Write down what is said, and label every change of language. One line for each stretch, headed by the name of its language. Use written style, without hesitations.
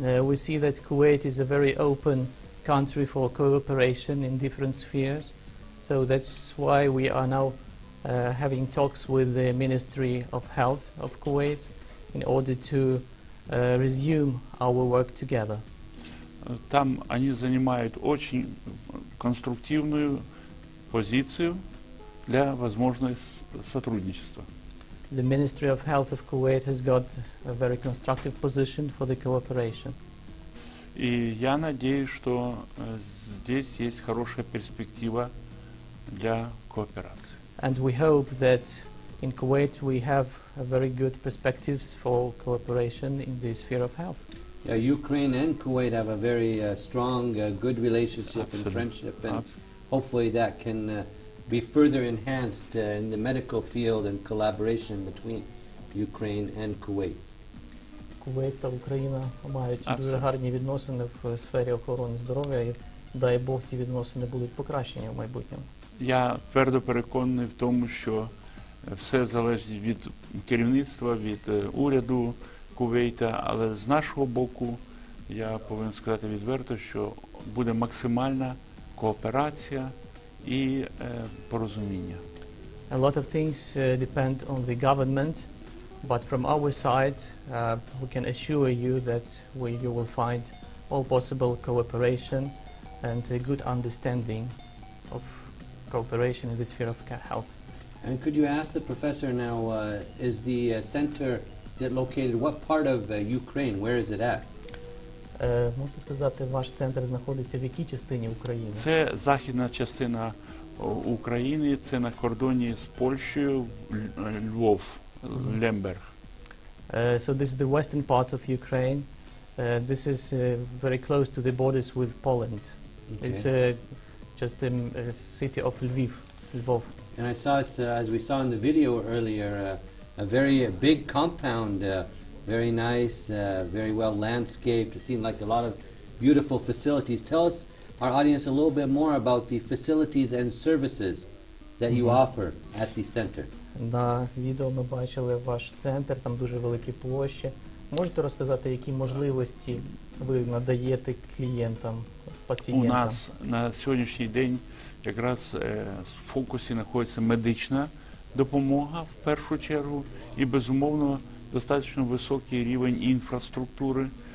English: We see that Kuwait is a very open country for cooperation in different spheres, so that's why we are now having talks with the Ministry of Health of Kuwait in order to resume our work together.
Ukrainian: Там вони займають дуже конструктивну позицію для можливого співпраці.
English: The Ministry of Health of Kuwait has got a very constructive position for the cooperation.
Ukrainian: І я надіюсь, що тут є хороша перспектива для кооперації.
English: And we hope that in Kuwait we have a very good perspectives for cooperation in the sphere of health. Yeah, Ukraine and Kuwait have a very strong good relationship. Absolutely. And friendship, and hopefully that can be further enhanced in the medical field and collaboration between Ukraine and Kuwait.
Ukrainian: Kuwait та Україна мають дуже гарні відносини в сфері охорони здоров'я, і дай Бог ці відносини будуть покращені в майбутньому. Я твердо переконаний в тому, що все залежить від керівництва, від уряду Кувейта, але з нашого боку я повинен сказати відверто, що буде максимальна кооперація і порозуміння.
English: A lot of things depend on the government, but from our side we can assure you that you will find all possible cooperation and a good understanding of cooperation in the sphere of health. And could you ask the professor now, is the center, is it located, what part of Ukraine, where is it at?
Ukrainian: Можете сказати, ваш центр знаходиться в якій частині України? Це західна частина України, це на кордоні з Польщею, Львов, Лемберг.
English: So this is the western part of Ukraine. This is very close to the borders with Poland. Okay. It's just a city of Lviv, Львов. And I saw it's, as we saw in the video earlier, a very big compound. Very nice, very well landscaped. It seemed like a lot of beautiful facilities. Tell us, our audience, a little bit more about the facilities and services that you offer at the center.
Ukrainian: На відео ми бачили ваш центр, там дуже великі площі. Можете розказати, які можливості ви надаєте клієнтам, пацієнтам? У нас на сьогоднішній день якраз в фокусі знаходиться медична допомога в першу чергу і, безумовно, достатньо високий рівень інфраструктури.